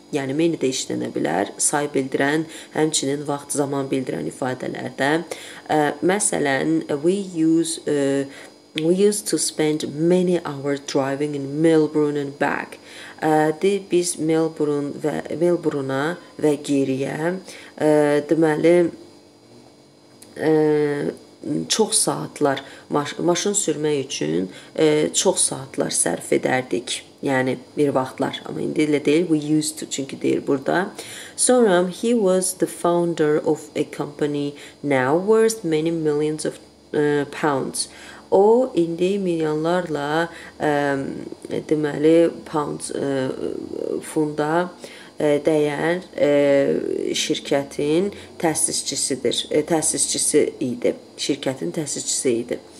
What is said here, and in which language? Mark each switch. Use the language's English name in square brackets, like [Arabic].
[Azerbaijani] Yəni many də işlənə bilər say bildirən, həmçinin vaxt, zaman bildirən ifadələrdə. [English] Məsələn, we used to spend many hours driving in Melbourne and back. [Azerbaijani] Biz Melbourne'a ve geriye, deməli, çox saatlar, maşın sürmək üçün çox saatlar sərf edərdik. Yəni bir vaxtlar, ama indi elə deyil, [English] we used to, [Azerbaijani] çünki deyir burada. [English] Sonra, he was the founder of a company now worth many millions of pounds. [Azerbaijani] O indi milyonlarla, deməli pound, funda dəyər şirkətin təsisçisidir. Təsisçisi idi. Şirkətin təsisçisi idi.